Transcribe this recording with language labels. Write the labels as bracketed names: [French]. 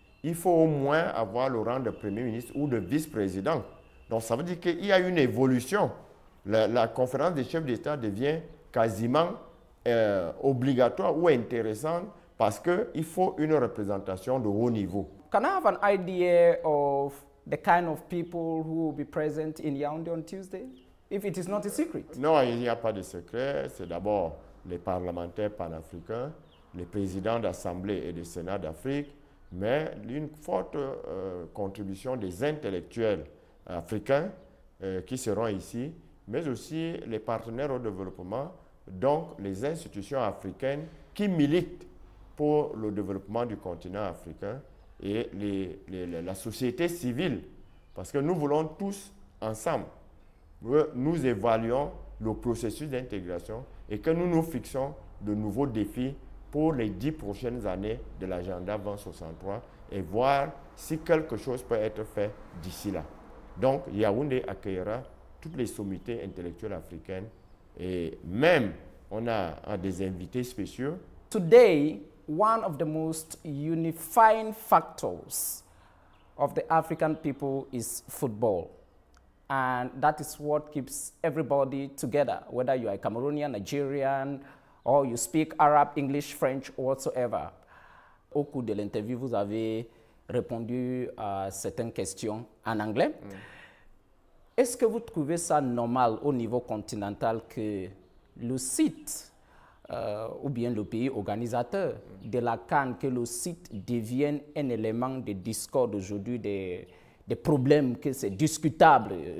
[French] Il faut au moins avoir le rang de premier ministre ou de vice-président. Donc ça veut dire qu'il y a une évolution. La conférence des chefs d'État devient quasiment obligatoire ou intéressante parce qu'il faut une représentation de haut niveau. [English] Can I have an idea of the kind of people who will be present in Yaoundé on Tuesday, if it is not a secret? [French] Non, il n'y a pas de secret. C'est d'abord les parlementaires panafricains, les présidents d'Assemblée et de Sénat d'Afrique, mais une forte contribution des intellectuels africains qui seront ici, mais aussi les partenaires au développement, donc les institutions africaines qui militent pour le développement du continent africain et la société civile. Parce que nous voulons tous ensemble que nous évaluons le processus d'intégration et que nous nous fixons de nouveaux défis pour les 10 prochaines années de l'agenda 2063 et voir si quelque chose peut être fait d'ici là. Donc Yaoundé accueillera toutes les sommités intellectuelles africaines et même on a des invités spéciaux. [English] Today, one of the most unifying factors of the African people is football. And that is what keeps everybody together, whether you are a Cameroonian, Nigerian, or you speak Arab, English, French, whatsoever. [French] Au cours de l'interview, vous avez répondu à certaines questions en anglais. Mm. Est-ce que vous trouvez ça normal au niveau continental que le site ou bien le pays organisateur de la CAN, que le site devienne un élément de discorde aujourd'hui, des problèmes que c'est discutable.